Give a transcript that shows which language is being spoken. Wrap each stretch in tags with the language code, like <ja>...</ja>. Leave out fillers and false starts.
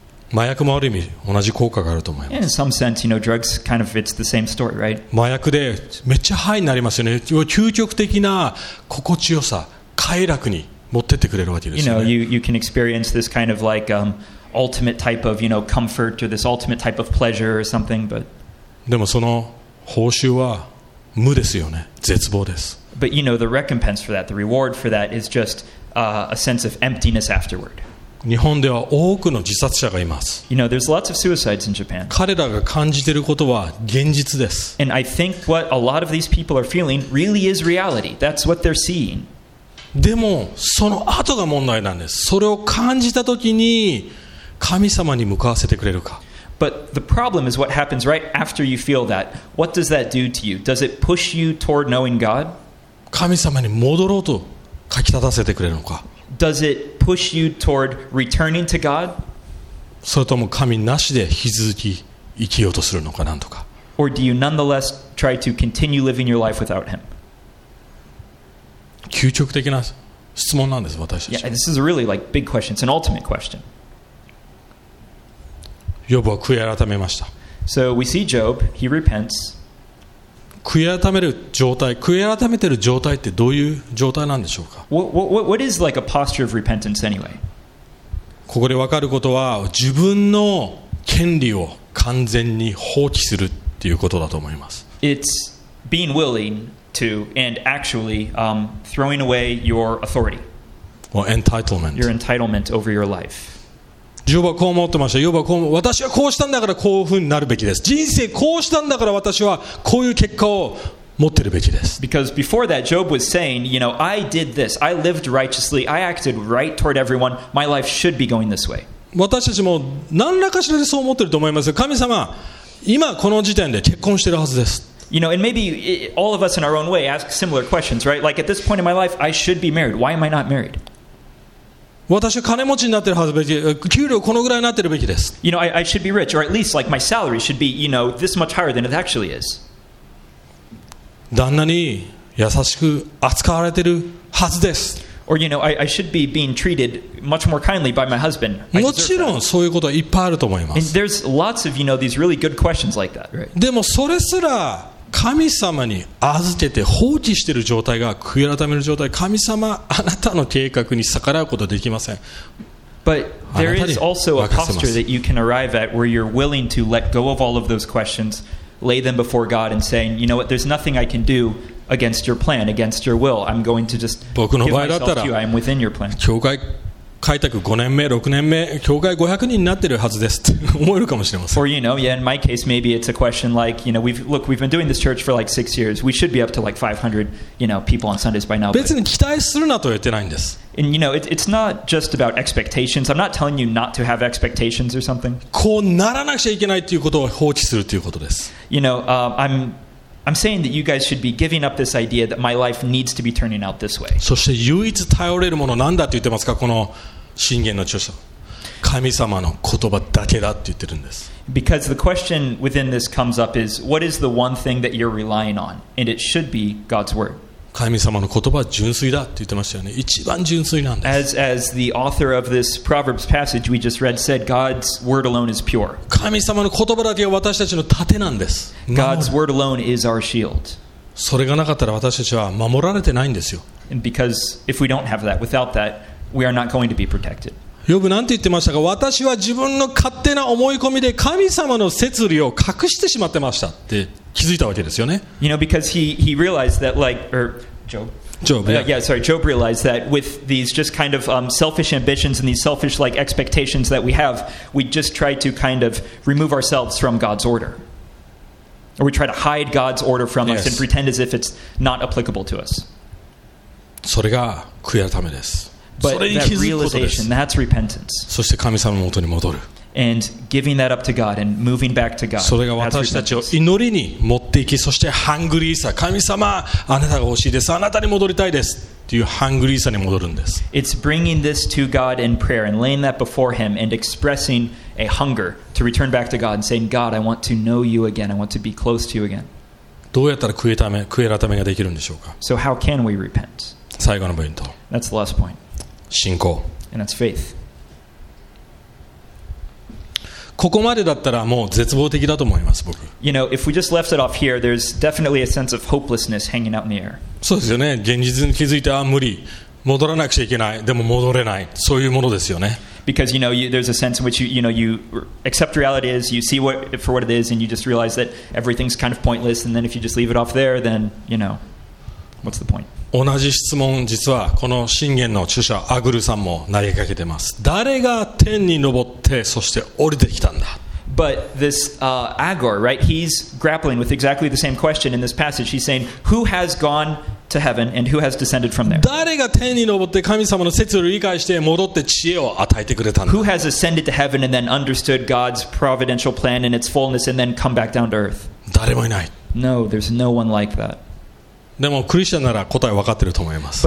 <ja>麻薬もある意味同じ効果があると思います。</ja> <en>In some sense, you know, drugs kind of fits the same story, right?</en> <ja>麻薬でめっちゃハイになりますよね。要は究極的な心地よさ、快楽に持ってってくれるわけですよね。</ja> <en>You know, you can experience this kind of like ultimate type of, you know, comfort or this ultimate type of pleasure or something, but</en> <ja>でもその報酬は無ですよね。絶望です。</ja> <en>But you know, the recompense for that, the reward for that is just a sense of emptiness afterward.</en> <ja>日本では多くの自殺者がいます。</ja> <en>You know, there's lots of suicides in Japan.</en> <ja>彼らが感じていることは現実です。</ja> <en>And I think what a lot of these people are feeling really is reality. That's what they're seeing.</en> <ja>でもその後が問題なんです。それを感じた時に神様に向かわせてくれるか。</ja> <en>But the problem is what happens right after you feel that. What does that do to you? Does it push you toward knowing God?</en> <ja>神様に戻ろうと掻き立たせてくれるのか。</ja> <en>Does it push you toward returning to God?</en> <ja>それとも神なしで引き続き生きようとするのかなんとか。</ja> <en>Or do you nonetheless try to continue living your life without Him?</en> <ja>究極的な質問なんです私たち。</ja> <en>Yeah, this is a really like big question. It's an ultimate question.</en> <ja>ヨブは悔い改めました。</ja> <en>So we see Job. He repents.</en> <ja>悔い改める状態、悔い改めてる状態ってどういう状態なんでしょうか。</ja> <en>What is like a posture of repentance anyway?</en> <ja>ここで分かることは自分の権利を完全に放棄するっていうことだと思います。</ja> <en>It's being willing to and actually throwing away your authority. Or entitlement. Your entitlement over your life.</en> <ja>ジョブはこう思ってました。ジョブはこう、私はこうしたんだからこういうふうになるべきです。人生こうしたんだから私はこういう結果を持ってるべきです。</ja> <en>Because before that, Job was saying, you know, I did this. I lived righteously. I acted right toward everyone. My life should be going this way.</en> <ja>私たちも何らかしらでそう思ってると思います。神様、今この時点で結婚してるはずです。</ja> <en>You know, and maybe all of us in our own way ask similar questions, right? Like at this point in my life, I should be married. Why am I not married?</en> <ja>私は金持ちになってるはずべき、給料このぐらいになってるべきです。</ja> <en>You know, I should be rich, or at least like my salary should be, you know, this much higher than it actually is.</en> <ja>旦那に優しく扱われてるはずです。</ja> <en>Or, you know, I should be being treated much more kindly by my husband.</en> <ja>もちろんそういうことはいっぱいあると思います。</ja> <en>And there's lots of, you know, these really good questions like that, right?</en> <ja>でもそれすら神様に預けて放置している状態が悔い改める状態、神様あなたの計画に逆らうことはできません。</ja> <en>But there is also a posture that you can arrive at where you're willing to let go of all of those questions, lay them before God and saying, you know what, there's nothing I can do against your plan, against your will. I'm going to just give myself to you. I am within your plan.</en> <ja>教会開拓5年目、6年目、教会500人になってるはずですって思えるかもしれません。</ja> <en>Or, you know, yeah, in my case, maybe it's a question like, you know, we've been doing this church for like 6 years. We should be up to like 500, you know, people on Sundays by now.</en> <ja>別に期待するなと言ってないんです。</ja> <en>And, you know, it's not just about expectations. I'm not telling you not to have expectations or something.</en> <ja>こうならなくちゃいけないということを放置するということです。</ja> <en>You know, I'm saying that you guys should be giving up this idea that my life needs to be turning out this way.</en> <ja>そして唯一頼れるものなんだって言ってますか、この箴言の著者。神様の言葉だけだって言ってるんです。</ja> <en>Because the question within this comes up is, what is the one thing that you're relying on? And it should be God's word.</en> <ja>神様の言葉は純粋だって言ってましたよね。一番純粋なんです。</ja> <en>As the author of this Proverbs passage we just read said, God's word alone is pure.</en> <ja>神様の言葉だけは私たちの盾なんです。</ja> <en>God's word alone is our shield.</en> <ja>それがなかったら私たちは守られてないんですよ。</ja> <en>And because if we don't have that, without that, we are not going to be protected.</en> <ja>ヨブなんて言ってましたか？私は自分の勝手な思い込みで神様の摂理を隠してしまってましたって。気づいたわけですよね。</ja> <en>You know, because he realized that, like, or Job. Job. Yeah. Yeah. Sorry, Job realized that with these just kind of selfish ambitions and these selfish like expectations that we have, we just try to kind of remove ourselves from God's order, or we try to hide God's order from us and pretend as if it's not applicable to us.</en> <ja>それが悔い改めです。</ja> <en>But that realization, that's repentance.</en> <ja>そして神様の元に戻る。</ja> <en>And giving that up to God and moving back to God.</en> <ja>それが私たちを祈りに持っていき、そしてハングリーさ、神様、あなたが欲しいです、あなたに戻りたいですっていうハングリーさに戻るんです。</ja> <en>It's bringing this to God in prayer and laying that before Him and expressing a hunger to return back to God and saying, God, I want to know You again. I want to be close to You again.</en> <ja>どうやったら悔い改めができるんでしょうか。</ja> <en>So how can we repent?</en> <ja>最後のポイント。</ja> <en>That's the last point.</en> <ja>信仰。</ja> <en>And that's faith.</en> <ja>ここまでだったらもう絶望的だと思います僕。</ja> <en>You know, if we just left it off here, there's definitely a sense of hopelessness hanging out in the air.</en> <ja>そうですよね。現実に気づいて、ああ無理、戻らなくちゃいけない、でも戻れない、そういうものですよね。</ja> <en>Because you know, there's a sense in which you know you accept reality is, you see what for what it is, and you just realize that everything's kind of pointless. And then if you just leave it off there, then you know, what's the point?</en> <ja>同じ質問実はこの箴言の著者アグルさんも投げかけてます。誰が天に登ってそして降りてきたんだ。</ja> <en>But this Agur, right, he's grappling with exactly the same question in this passage. He's saying, who has gone to heaven and who has descended from there?</en> <ja>誰が天に登って神様の説を理解して戻って知恵を与えてくれたんだ。</ja> <en>Who has ascended to heaven and then understood God's providential plan in its fullness and then come back down to earth?</en> <ja>誰もいない。</ja> <en>No, there's no one like that.</en> <ja>でもクリスチャンなら答え分かってると思います。</ja>